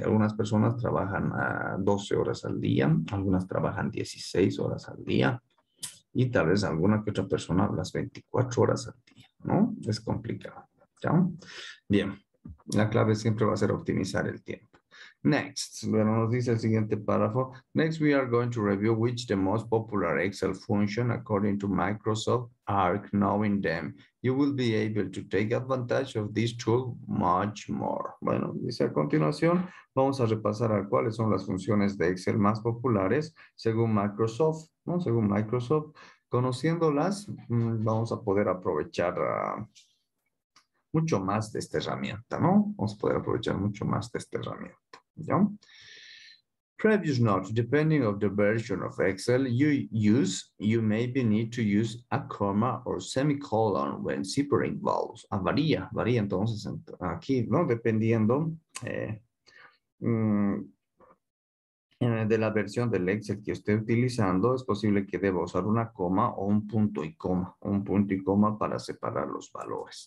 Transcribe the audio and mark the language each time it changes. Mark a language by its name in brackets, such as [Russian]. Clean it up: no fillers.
[Spanish] Algunas personas trabajan a 12 horas al día, algunas trabajan 16 horas al día y tal vez alguna que otra persona las 24 horas al día, ¿no? Es complicado, ¿ya? Bien, la clave siempre va a ser optimizar el tiempo. Next, bueno, nos dice el siguiente párrafo. [English] Next, we are going to review which the most popular Excel function according to Microsoft Arc. Knowing them, you will be able to take advantage of this tool much more. [Spanish] Bueno, dice a continuación, vamos a repasar a cuáles son las funciones de Excel más populares según Microsoft, ¿no? Según Microsoft, conociéndolas, vamos a poder aprovechar mucho más de esta herramienta, ¿no? Vamos a poder aprovechar mucho más de esta herramienta. ¿Ya? [English] Previous note, depending of the version of Excel you use, you maybe need to use a comma or semicolon when separating vowels. [Spanish] Ah, varía, varía entonces aquí, ¿no? Dependiendo de la versión del Excel que esté utilizando, es posible que deba usar una coma o un punto y coma. Un punto y coma para separar los valores.